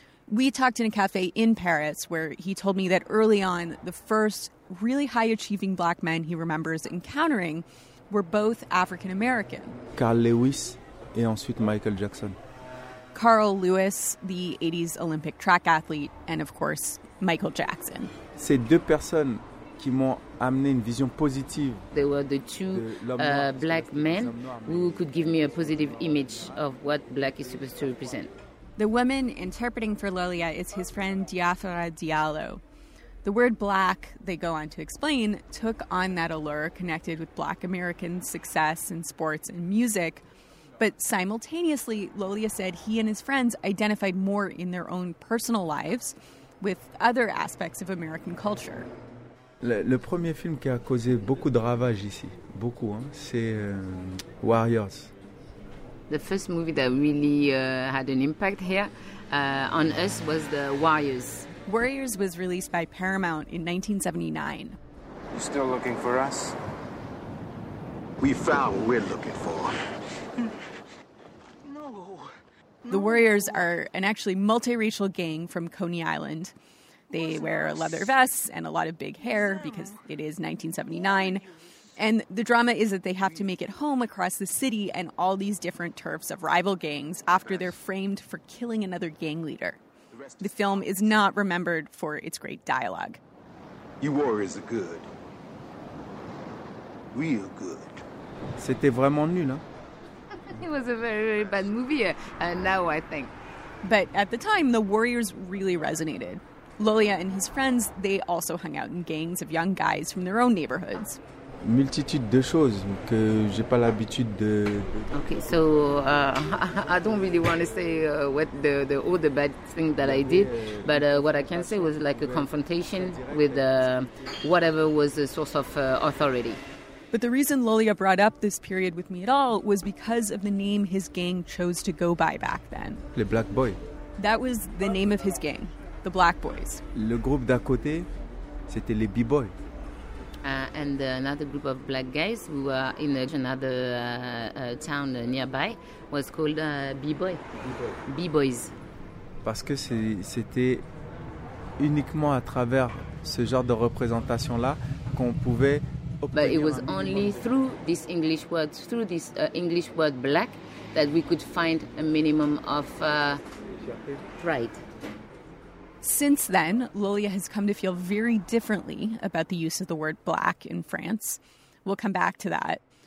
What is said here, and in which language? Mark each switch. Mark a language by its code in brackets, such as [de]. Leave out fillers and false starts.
[en] We talked in a cafe in Paris where he told me that early on, the first really high-achieving black men he remembers encountering were both African-American. [fr] Carl Lewis and ensuite Michael Jackson. [en] Carl Lewis, the 80s Olympic track athlete, and of course, Michael Jackson. [fr] Ces deux personnes qui m'ont amené une vision positive. [en] They were the two black men who could give me a positive image of what black is supposed to represent. The woman interpreting for Lolia is his friend Diafara Diallo. The word black, they go on to explain, took on that allure connected with black American success in sports and music. But simultaneously, Lolia said he and his friends identified more in their own personal lives with other aspects of American culture. [fr] Le premier film qui a causé beaucoup de ravages ici, beaucoup, hein, c'est Warriors. [en] The first movie that really had an impact here on us was the Warriors. Warriors was released by Paramount in 1979. You still looking for us? We found what we're looking for. No. The Warriors are an actually multiracial gang from Coney Island. They wear leather vests and a lot of big hair because it is 1979. And the drama is that they have to make it home across the city and all these different turfs of rival gangs after they're framed for killing another gang leader. The film is not remembered for its great dialogue. You warriors are good. Real good. [fr] C'était vraiment nul, hein? [en] It was a very, very bad movie, now I think. But at the time, the Warriors really resonated. Lolia and his friends, they also hung out in gangs of young guys from their own neighborhoods. [fr] Multitude de choses que j'ai pas l'habitude de. [en] Okay, so I don't really want to say what the all the bad things that I did, but what I can say was like a confrontation with whatever was the source of authority. But the reason Lolia brought up this period with me at all was because of the name his gang chose to go by back then. [fr] Les Black Boys. [en] That was the name of his gang. The Black Boys. [fr] Le groupe d'à côté, c'était les B-Boys. [en] And another group of black guys who were in another town nearby was called B-Boys. B-Boys. [fr] Parce que c'était uniquement à travers ce genre de représentation-là qu'on pouvait obtenir. [en] But it was only through this English word, through this English word black, that we could find a minimum of pride. Since then, Lolia has come to feel very differently about the use of the word black in France. We'll come back to that.